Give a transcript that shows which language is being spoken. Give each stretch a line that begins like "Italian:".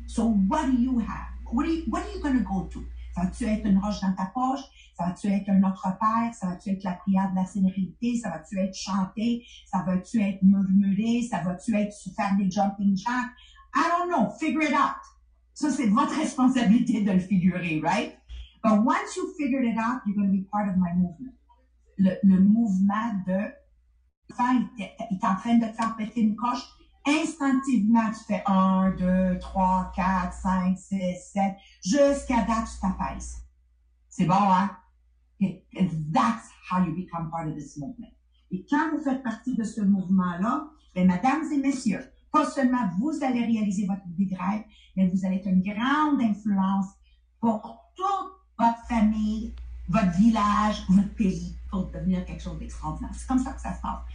English: So, what do you have? What are you going to go to?
French: Ça va-tu être une roche dans ta poche? Ça va-tu être un autre père? Ça va-tu être la prière de la sérénité? Ça va-tu être chanter? Ça va-tu être murmurer? Ça va-tu être faire des jumping jacks?
English: I don't know. Figure it out.
French: Ça, c'est votre responsabilité de le figurer, right?
English: But once you figure it out, you're going to be part of my movement.
French: Le mouvement de... Enfin, il est en train de faire péter une coche. Instinctivement, tu fais 1, 2, 3, 4, 5, 6, 7, jusqu'à date, tu t'apaises. C'est bon, hein? Okay.
English: That's how you become part of this movement.
French: Et quand vous faites partie de ce mouvement-là, bien, mesdames et messieurs, pas seulement vous allez réaliser votre big drive, mais vous allez être une grande influence pour toute votre famille, votre village, votre pays, pour devenir quelque chose d'extraordinaire. C'est comme ça que ça se passe.